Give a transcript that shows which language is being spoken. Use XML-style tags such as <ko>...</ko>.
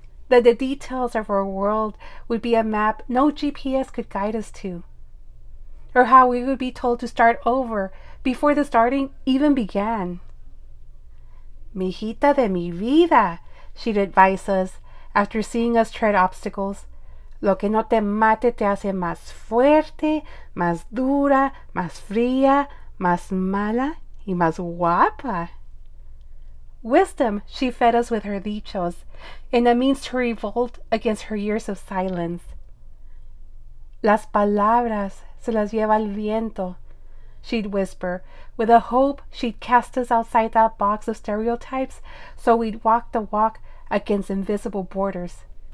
<en>That the details of our world would be a map no GPS could guide us to? Or how we would be told to start over before the starting even began?</en> <es>Mijita de mi vida,</es> <en>she'd advise us after seeing us tread obstacles.</en> <es>Lo que no te mate te hace más fuerte, más dura, más fría, más mala, y más guapa.</es> <en>Wisdom, she fed us with her dichos, in a means to revolt against her years of silence.</en> <es>Las palabras se las lleva el viento,</es> <en>she'd whisper, with a hope she'd cast us outside that box of stereotypes so we'd walk the walk against invisible borders.</en>